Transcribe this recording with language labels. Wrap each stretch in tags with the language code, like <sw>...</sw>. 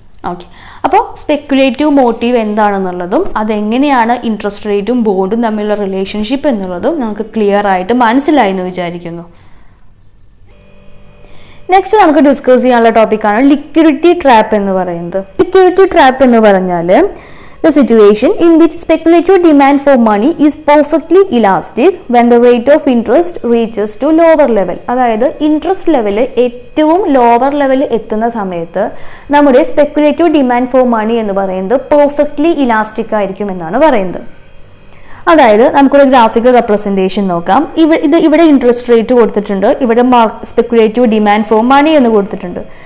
<ml>Okay, അപ്പോൾ speculative motive എന്താണെന്നുള്ളതും അതെങ്ങനെയാണ് interest റേറ്റും ബോണ്ടും തമ്മിലുള്ള റിലേഷൻഷിപ്പ് എന്നുള്ളതും നമുക്ക് ക്ലിയർ ആയിട്ട് മനസ്സിലായി എന്ന് വിചാരിക്കുന്നു. നെക്സ്റ്റ് നമുക്ക് ഡിസ്കസ് ചെയ്യാനുള്ള ടോപ്പിക്കാണ് ലിക്വിഡിറ്റി ട്രാപ്പ് എന്ന് പറയുന്നത്. ലിക്വിഡിറ്റി ട്രാപ്പ് എന്ന് പറഞ്ഞാൽ</ml> <en>The situation in which speculative demand for money is perfectly elastic when the rate of interest reaches to lower level.</en> <ml>അതായത് ഇൻട്രസ്റ്റ് ലെവൽ ഏറ്റവും ലോവർ ലെവൽ എത്തുന്ന സമയത്ത് നമ്മുടെ സ്പെക്കുലേറ്റീവ് ഡിമാൻഡ് ഫോർ മണി എന്ന് പറയുന്നത് പെർഫെക്റ്റ്ലി ഇലാസ്റ്റിക് ആയിരിക്കും എന്നാണ് പറയുന്നത്. അതായത് നമുക്കൊരു ഗ്രാഫിക്കൽ റെപ്രസെൻറ്റേഷൻ നോക്കാം. ഇത് ഇവിടെ ഇൻട്രസ്റ്റ് റേറ്റ് കൊടുത്തിട്ടുണ്ട്, ഇവിടെ സ്പെക്കുലേറ്റീവ് ഡിമാൻഡ് ഫോർ മണി എന്ന് കൊടുത്തിട്ടുണ്ട്.</ml>